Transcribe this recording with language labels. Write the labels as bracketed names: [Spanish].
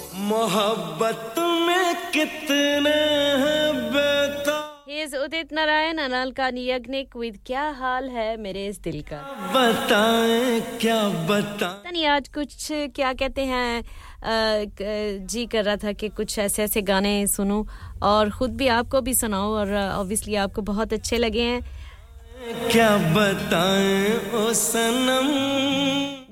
[Hindi] मोहब्बत में कितने हैं बेता [English] Here's Udit Narayan and Alka Yagnik with क्या हाल है मेरे इस दिल का [Hindi] बताएं क्या बताएं तनी आज कुछ क्या कहते हैं जी कर रहा था कि कुछ ऐसे ऐसे गाने सुनूं और खुद भी आपको भी सुनाऊं और obviously आपको बहुत अच्छे लगे हैं क्या बताएं ओ सनम